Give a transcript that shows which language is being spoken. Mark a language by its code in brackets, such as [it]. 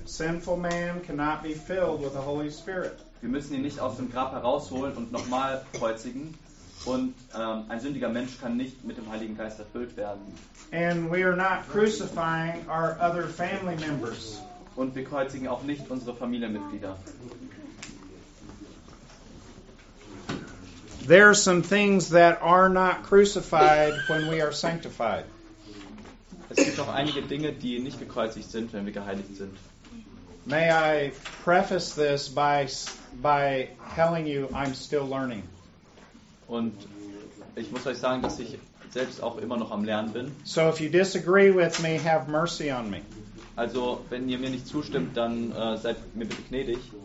[en] Sinful man cannot be filled with the Holy Spirit. [de] Wir müssen ihn nicht aus dem Grab herausholen und nochmal kreuzigen. Und ein sündiger Mensch kann nicht mit dem Heiligen Geist erfüllt werden. [en] And we are not crucifying our other family members. [de] Und wir kreuzigen auch nicht unsere Familienmitglieder. [en] There are some things that are not crucified when we are sanctified. [de] Es gibt auch einige Dinge, die nicht gekreuzigt sind, wenn wir geheiligt sind. [en] May I preface this by telling you I'm still learning. [de] Und ich muss euch sagen, dass ich selbst auch immer noch am Lernen bin. [en] So if you disagree with me, have mercy on me. [de] Also, wenn ihr mir nicht zustimmt, dann seid mir bitte gnädig.